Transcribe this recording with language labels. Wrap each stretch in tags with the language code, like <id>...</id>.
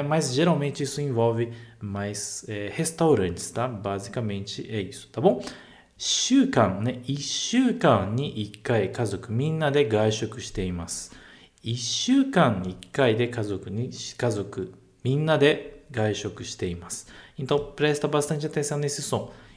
<pt>Mas geralmente isso envolve mais restaurantes, tá? Basicamente é isso, tá bom? 週間, né?</pt> <ja>1週間に1回家族みんなで外食しています。 1週間に1回で家族みんなで外食しています。</ja> <pt>Então presta bastante atenção nesse som.</pt>